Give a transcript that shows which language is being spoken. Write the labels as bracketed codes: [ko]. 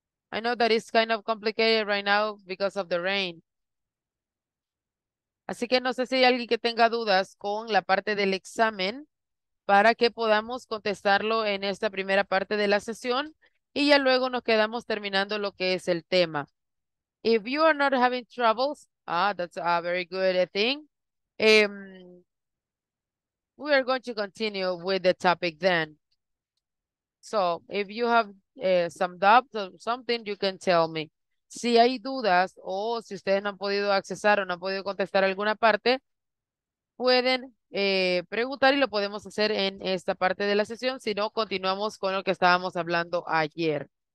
[en] I know that it's kind of complicated right now because of the rain. [es] Así que no sé si hay alguien que tenga dudas con la parte del examen para que podamos contestarlo en esta primera parte de la sesión y ya luego nos quedamos terminando lo que es el tema. [en] If you are not having troubles, that's a very good thing. We are going to continue with the topic then. So, if you have some doubts or something, you can tell me. [es] Si hay dudas o si ustedes no han podido accesar o no han podido contestar alguna parte, pueden preguntar y lo podemos hacer en esta parte de la sesión, si no, continuamos con lo que estábamos hablando ayer.